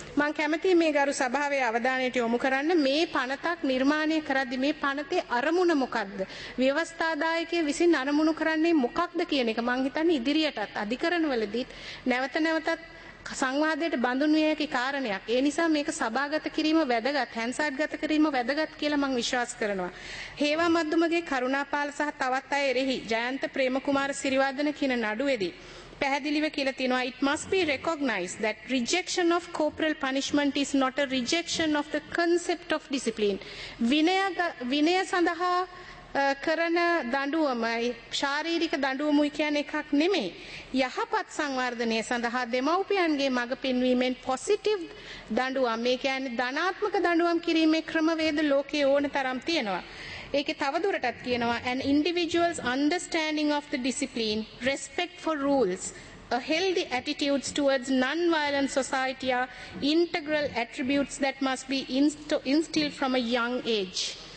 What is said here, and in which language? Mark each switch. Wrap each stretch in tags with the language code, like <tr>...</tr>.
<si>මම කැමතියි මේ ගරු සභාවේ අවධානයට යොමු කරන්න මේ පනතක් නිර්මාණය කරද්දී මේ පනතේ අරමුණ මොකද්ද, ව්‍යවස්ථාදායකය විසින් අරමුණු කරන්නේ මොකක්ද කියන එක මම හිතන්නේ ඉදිරියටත් අධිකරණවලදීත් නැවත නැවතත් සංවාදයට බඳුන් විය හැකි කාරණයක්. ඒ නිසා මේක සභාගත කිරීම වැදගත්, හැන්සඩ් ගත කිරීම වැදගත් කියලා මම විශ්වාස කරනවා. හේවා මද්දුමගේ කරුණාපාල සහ තවත් අය එරෙහි ජයන්ත ප්‍රේමකුමාර සිරිවර්ධන කියන නඩුවේදී පැහැදිලිව කියලා තිනවා,</si> <en>it must be recognized that rejection of corporal punishment is not a rejection of the concept of discipline.</en> <si>විනය සඳහා කරන දඬුවමයි, ශාරීරික දඬුවමයි කියන එකක් නෙමෙයි. යහපත් සංවර්ධනය සඳහා දෙමව්පියන්ගේ මඟ පෙන්වීමෙන් පොසිටිව් දඬුවම්, මේ කියන්නේ ධනාත්මක දඬුවම් කිරීමේ ක්‍රමවේද ලෝකයේ ඕන තරම් තියෙනවා. ඒක තවදුරටත් කියනවා</si> <en>an individual's understanding of the discipline, respect for rules, a healthy attitudes towards non-violent society are integral attributes that must be instilled from a young age.</en>